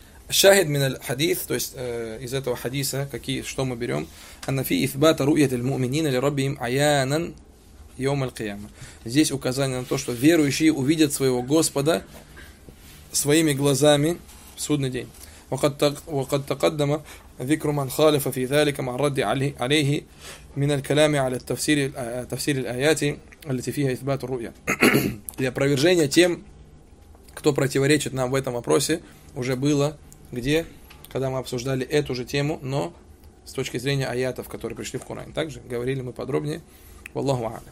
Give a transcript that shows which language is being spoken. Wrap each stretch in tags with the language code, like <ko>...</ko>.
<ar>الشاهد من الحديث,</ar> <ru>то есть из этого хадиса, какие, что мы берем,</ru> <ar>أن في إثبات رؤية المؤمنين لربهم عيانا يوم القيامة.</ar> <ru>Здесь указание на то, что верующие увидят своего Господа своими глазами в судный день.</ru> <ar>وقد تقدم ذكر من خالف في ذلك مع الرد عليه من الكلام على تفسير الآيات التي فيها إثبات الرؤية.</ar> <ru>Для опровержения тем, кто противоречит нам в этом вопросе, уже было, где, когда мы обсуждали эту же тему, но с точки зрения аятов, которые пришли в Коране. Также говорили мы подробнее. Валлаху а'лам.</ru>